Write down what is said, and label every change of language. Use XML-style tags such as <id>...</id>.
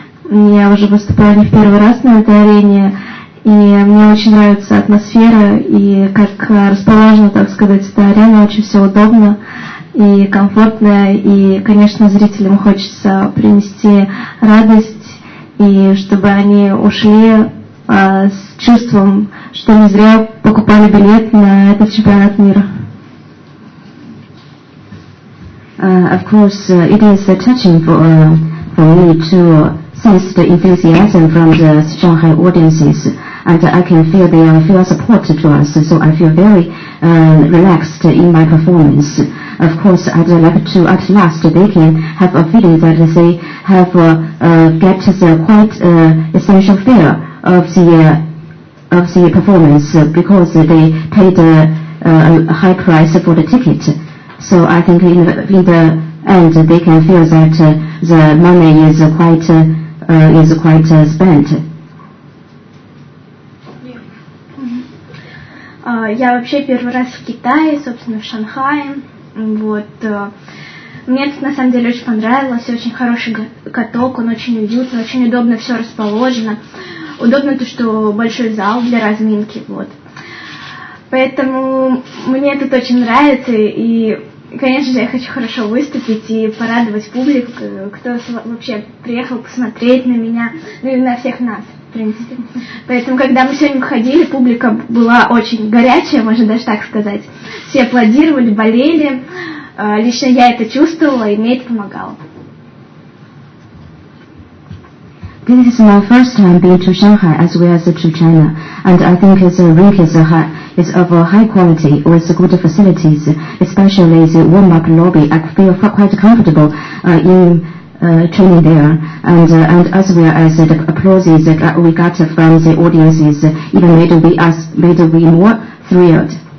<ru>Я уже выступала не в первый раз на этой арене, и мне очень нравится атмосфера, и как расположена, так сказать, эта арена, очень все удобно и комфортная, и, конечно, зрителям хочется принести радость, и чтобы они ушли с чувством, что не зря покупали билет на этот чемпионат мира.</ru> <en>Of course, it is touching for me to sense the enthusiasm from the Shanghai audiences, and I can feel they feel support to us, so I feel very relaxed in my performance. Of course, I'd like to at last they can have a feeling that they have get the quite essential fear of the performance because they paid a high price for the ticket. So I think in the end they can feel that the money is quite spent.</en> <ru>Я вообще первый раз в Китае, собственно, в Шанхае. Вот мне тут на самом деле очень понравилось, очень хороший каток, он очень уютный, очень удобно все расположено. Удобно то, что большой зал для разминки, вот. Поэтому мне тут очень нравится, и, конечно же, я хочу хорошо выступить и порадовать публику, кто вообще приехал посмотреть на меня, ну и на всех нас, в принципе. Поэтому, когда мы сегодня выходили, публика была очень горячая, можно даже так сказать. Все аплодировали, болели. Лично я это чувствовала, и мне это помогало.</ru> <en>This is my first time being to Shanghai as well as to China, and I think the rink is of a high quality with good facilities, especially the warm-up lobby. I feel quite comfortable in training there, and as well as the applauses that we got from the audiences even made me more thrilled.</en>